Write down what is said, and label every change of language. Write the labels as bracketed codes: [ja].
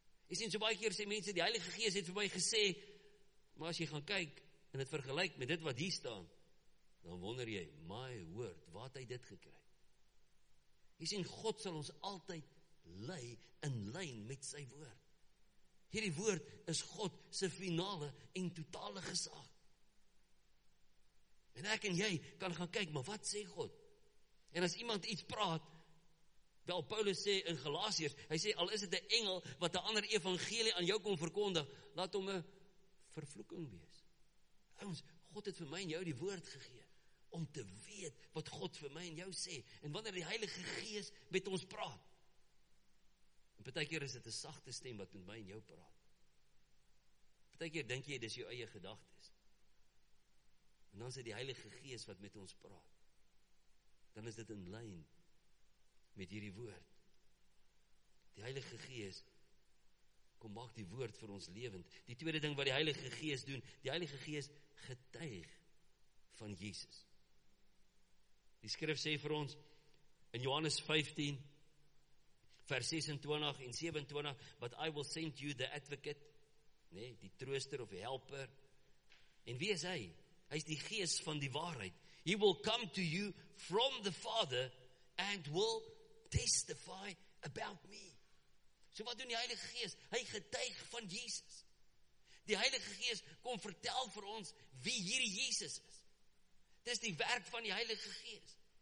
[af] Jy sien, so baie keer sê mense, die Heilige Gees het vir my gesê, maar as jy gaan kyk en het vergelyk met dit wat hier staan, dan wonder jy, my woord, wat het hy dit gekry? Jy sien, God sal ons altyd lei in lyn met sy woord. Hierdie woord is God se finale en totale gesag. En ek en jy kan gaan kyk, maar wat sê God? En as iemand iets praat, wel Paulus sê in Galasiërs, hy sê, al is het een engel wat een ander evangelie aan jou kom verkondig, laat hom een vervloeking wees. Ons, God het vir my en jou die woord gegee, om te weet wat God vir my en jou sê, en wanneer die Heilige Gees met ons praat, en partykeer is dit een sagte stem wat met my en jou praat. Partykeer denk jy, dis jou eie gedagtes. En dan is dit die Heilige Gees wat met ons praat. Dan is dit in lyn met hierdie woord. Die Heilige Gees kom maak die woord vir ons lewend. Die tweede ding wat die Heilige Gees doen, die Heilige Gees getuig van Jesus. Die skrif sê vir ons in Johannes 15, vers 26 en 27, [en] but I will send you the advocate, [af] nee, die trooster of die helper, en wie is hy? Hy is die gees van die waarheid. [en] He will come to you from the Father and will testify about me. [af] So wat doen die Heilige Gees? Hy getuig van Jesus. Die Heilige Gees kom vertel vir ons wie hier Jesus is. Dit is die werk van die Heilige Gees.